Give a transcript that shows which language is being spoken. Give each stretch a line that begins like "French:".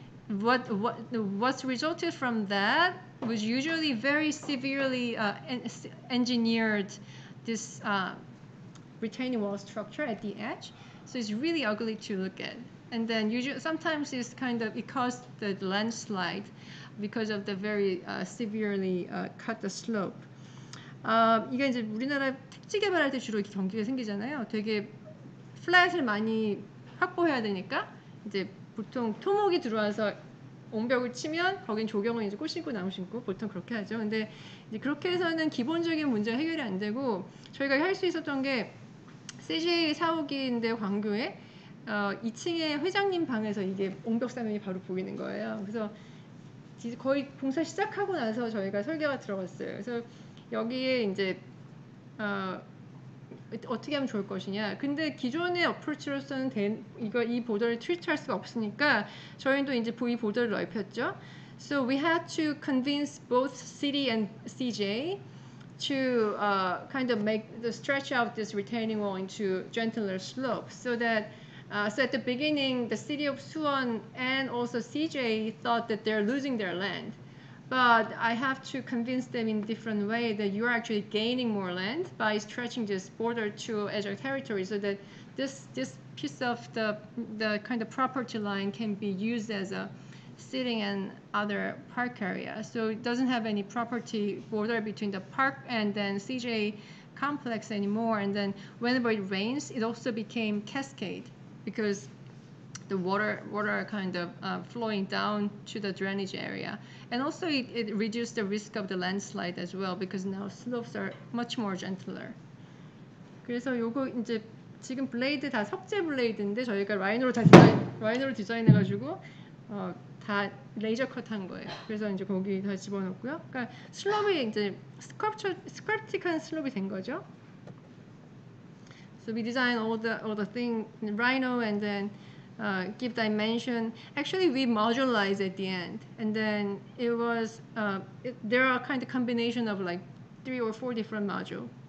English: What's resulted from that was usually very severely engineered this retaining wall structure at the edge. So it's really ugly to look at. And then sometimes it's kind of, it caused the landslide because of the very severely cut the slope.
Korean: 이게 이제 우리나라 택지 개발할 때 주로 이렇게 경기가 생기잖아요. 되게 플랫을 많이 확보해야 되니까 이제 보통 토목이 들어와서 옹벽을 치면 거긴 조경은 이제 꽃 심고 나무 심고 보통 그렇게 하죠. 근데 이제 그렇게 해서는 기본적인 문제 해결이 안 되고 저희가 할 수 있었던 게 CJ 사옥인데 광교에 2층에 회장님 방에서 이게 옹벽 사면이 바로 보이는 거예요. 그래서 이제 거의 공사 시작하고 나서 저희가 설계가 들어갔어요. 그래서 여기에 이제 어떻게 하면 좋을 것이냐. 근데 기존의 어프로치로서는 이 보더를 트리트할 수가 없으니까 저희도 이제 이 보더를 넓혔죠.
English: So we had to convince both city and CJ to kind of make the stretch out this retaining wall into gentler slope so that so at the beginning the city of Suwon and also CJ thought that they're losing their land. But I have to convince them in a different way that you are actually gaining more land by stretching this border to Azure territory so that this piece of the kind of property line can be used as a sitting and other park area. So it doesn't have any property border between the park and then CJ complex anymore. And then whenever it rains, it also became cascade because the water are kind of flowing down to the drainage area. And also it reduced the risk of the landslide as well because now slopes are much more gentler.
Korean: 그래서 요거 이제 지금 블레이드 다 석재 블레이드인데 저희가 라인으로 디자인해 가지고 다 레이저 컷 한 거예요. 그래서 이제 거기 다 집어넣고요. 그러니까 슬롭이 이제 스컬프틱한 슬롭이 된 거죠.
English: So we designed all the thing rhino and then give dimension. Actually, we modularize at the end, and then it was there are kind of combination of like 3 or 4 different module.